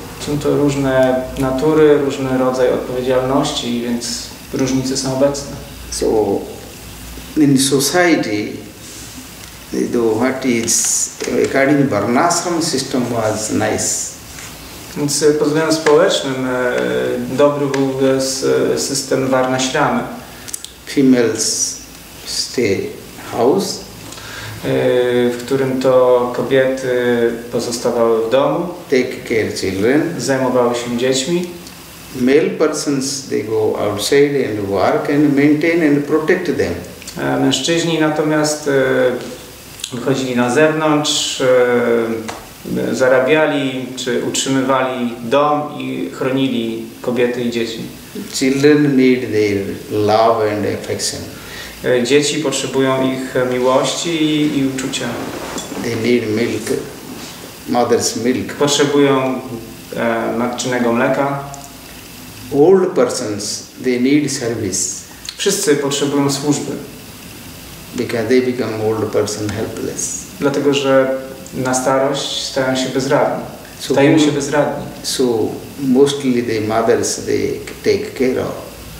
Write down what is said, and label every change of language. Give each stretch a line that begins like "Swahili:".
Polish: Są to różne natury, różny rodzaj odpowiedzialności, więc różnice są obecne.
English: So in society, what is according to Varnasram system was nice.
Polish: Więc pod względem społecznym dobry był system Varnashramy.
English: Females stay house.
Polish: W którym to kobiety pozostawały w domu.
English: Take care children.
Polish: Zajmowały się dziećmi.
English: Male persons, they go outside and work and maintain and protect them.
Polish: Mężczyźni natomiast wychodzili na zewnątrz, zarabiali czy utrzymywali dom i chronili kobiety i dzieci.
English: Children need their love and affection.
Polish: Dzieci potrzebują ich miłości i uczucia.
English: They need milk, mother's milk.
Polish: Potrzebują matczynego mleka.
English: Old persons, they need service.
Polish: Wszyscy potrzebują służby.
English: Because they become old person helpless.
Polish: Dlatego, że na starość stają się bezradni. Stają się bezradni.
English: So mostly the mothers, they take care of.